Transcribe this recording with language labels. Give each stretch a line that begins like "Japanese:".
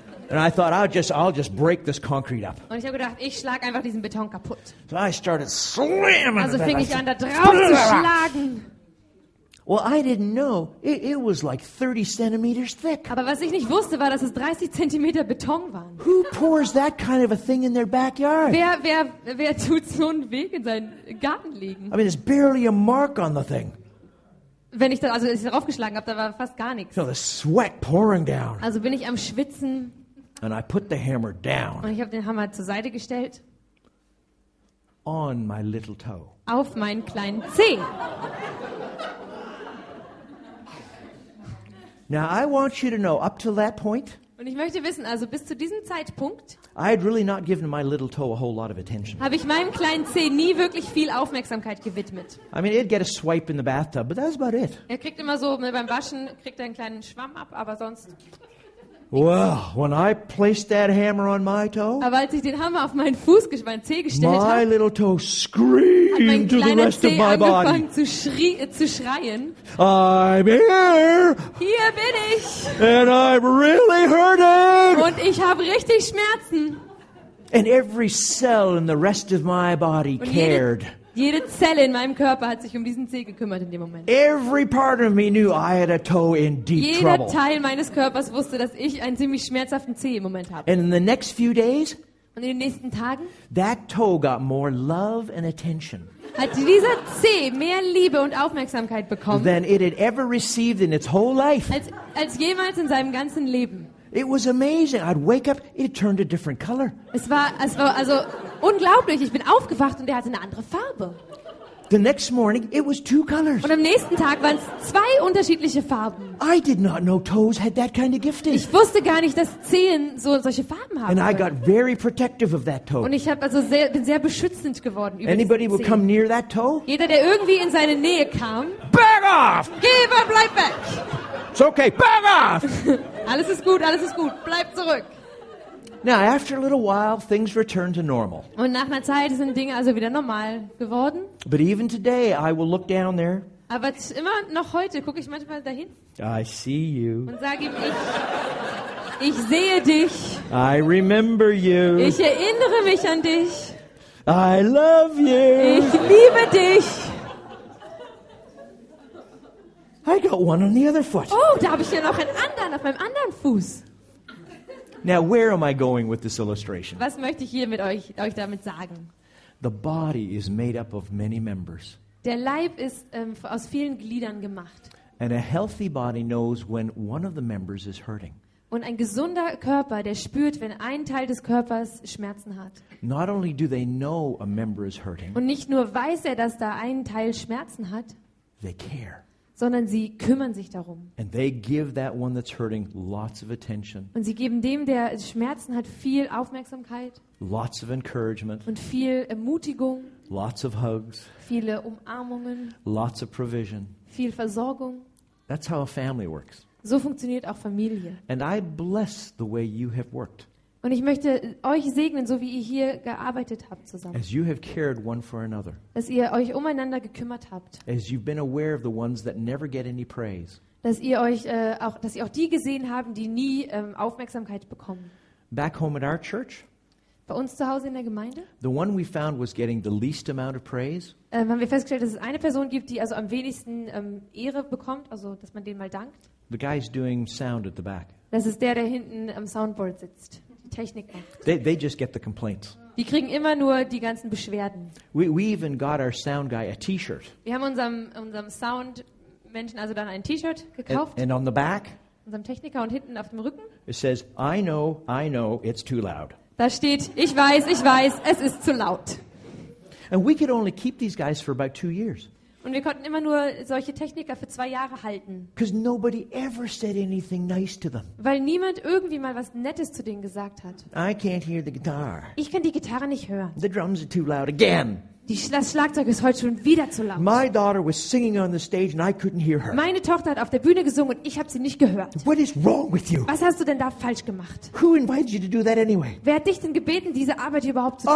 English: And I thought I'll just break this concrete up.
German: Und ich habe gedacht, ich schlage einfach diesen Beton kaputt.
English: So I started slamming.
German: Also fing ich an, da drauf zu schlagen.
English: Well, I didn't know. It was like 30 centimeters thick.
German: Aber was ich nicht wusste, war, dass es 30 Zentimeter Beton waren.
English: Who pours that kind of a thing in their backyard?
German: Wer tut so einen Weg in seinen Garten legen?
English: I mean, there's barely a mark on the thing.
German: Wenn ich da also ich draufgeschlagen habe, da war fast gar nichts.
English: So the sweat pouring down.
German: Also bin ich am Schwitzen.
English: And I put the hammer down.
German: Und ich habe den Hammer zur Seite gestellt.
English: On my little toe.
German: Auf meinen kleinen Zeh.
English: Now I want you to know up to that point.
German: Und ich möchte wissen, also bis zu diesem Zeitpunkt.
English: I had really not given my little toe a whole lot of attention.
German: Habe ich meinem kleinen Zeh nie wirklich viel Aufmerksamkeit gewidmet.
English: I mean, it'd get a swipe in the bathtub, but that's about it.
German: Er kriegt immer so beim Waschen kriegt er einen kleinen Schwamm ab, aber sonst.
English: Well, when I placed that hammer on my toe.
German: Aber als ich den Hammer auf meinen Fuß, meinen Zeh gestellt habe.
English: My little toe screamed to the rest of my body.
German: Hat mein kleiner Zeh angefangen zu schreien.
English: I'm here.
German: Hier bin ich.
English: And I'm really hurting.
German: Und ich habe richtig Schmerzen.
English: And every cell in the rest of my body cared.
German: Jede Zelle in meinem Körper hat sich um diesen Zeh gekümmert in dem Moment.
English: Every part of me knew I had a toe in deep
German: Jeder
English: trouble.
German: Teil meines Körpers wusste, dass ich einen ziemlich schmerzhaften Zeh im Moment habe.
English: And in the next few days,
German: Und in den nächsten Tagen?
English: That toe got more love and attention.
German: Hat dieser Zeh mehr Liebe und Aufmerksamkeit bekommen?
English: Than it had ever received in its whole life.
German: Als jemals in seinem ganzen Leben.
English: It was amazing. I'd wake up, it turned a different color.
German: Es war also unglaublich. Ich bin aufgewacht und er hatte eine andere Farbe.
English: The next morning, it was two colors.
German: Und am nächsten Tag waren es zwei unterschiedliche Farben.
English: I did not know toes had that kind of gifting.
German: Ich wusste gar nicht, dass Zehen so solche Farben haben.
English: And I got very protective of that toe.
German: Und ich habe also bin sehr beschützend geworden über
English: Anybody would come near that toe?
German: Jeder, der irgendwie in seine Nähe kam.
English: Back off!
German: Geh und bleib weg!
English: It's okay, back off!
German: alles ist gut, bleib zurück.
English: Now, after a little while, things return to normal.
German: Und nach einer Zeit sind Dinge also wieder normal geworden.
English: But even today, I will look down there.
German: Aber immer noch heute gucke ich manchmal dahin.
English: I see you.
German: Und sage ihm, ich sehe dich.
English: I remember you.
German: Ich erinnere mich an dich.
English: I love you.
German: Ich liebe dich.
English: I got one on the other foot.
German: Oh, da habe ich ja noch einen anderen auf meinem anderen Fuß.
English: Now, where am I going with this illustration?
German: Was möchte ich hier mit euch damit sagen?
English: The body is made up of many members.
German: Der Leib ist aus vielen Gliedern gemacht.
English: And a healthy body knows when one of the members is hurting.
German: Und ein gesunder Körper, der spürt, wenn ein Teil des Körpers Schmerzen hat.
English: Not only do they know a member is hurting.
German: Und nicht nur weiß er, dass da ein Teil Schmerzen hat.
English: They care.
German: Sondern sie kümmern sich darum.
English: And they give that one that's hurting lots of attention.
German: Und sie geben dem, der Schmerzen hat, viel Aufmerksamkeit.
English: Lots of encouragement.
German: Und viel Ermutigung.
English: Lots of hugs.
German: Viele Umarmungen.
English: Lots of provision.
German: Viel Versorgung.
English: That's how a family works.
German: So funktioniert auch Familie.
English: And I bless the way you have worked.
German: Und ich möchte euch segnen, so wie ihr hier gearbeitet habt zusammen.
English: As you have cared one for another.
German: Dass ihr euch umeinander gekümmert habt.
English: As you've been aware of the ones that never get any praise.
German: Dass ihr auch die gesehen haben, die nie Aufmerksamkeit bekommen.
English: Back home at our church.
German: Bei uns zu Hause in der Gemeinde.
English: The one we found was getting the least amount of praise.
German: Haben wir festgestellt, dass es eine Person gibt, die also am wenigsten Ehre bekommt, also dass man denen mal dankt.
English: The guy's doing sound at the back.
German: Das ist der hinten am Soundboard sitzt.
English: They just get the complaints.
German: Die kriegen immer nur die ganzen Beschwerden.
English: We even got our sound guy a T-shirt.
German: Wir haben unserem Soundmenschen also dann ein T-Shirt gekauft.
English: And on the back.
German: Unserem Techniker und hinten auf dem Rücken.
English: It says, I know, it's too loud.
German: Da steht, ich weiß, es ist zu laut.
English: And we could only keep these guys for about 2 years.
German: Und wir konnten immer nur solche Techniker für 2 Jahre halten.
English: Because nobody ever said anything nice to them.
German: Weil niemand irgendwie mal was Nettes zu denen gesagt hat.
English: I can't hear the guitar.
German: Ich kann die Gitarre nicht hören.
English: The drums are too loud again.
German: Das Schlagzeug ist heute schon wieder zu laut.
English: My daughter was singing on the stage and I couldn't hear her.
German: Meine Tochter hat auf der Bühne gesungen und ich habe sie nicht gehört.
English: What is wrong with you?
German: Was hast du denn da falsch gemacht?
English: Who invited you to do that anyway?
German: Wer hat dich denn gebeten, diese Arbeit hier überhaupt zu tun?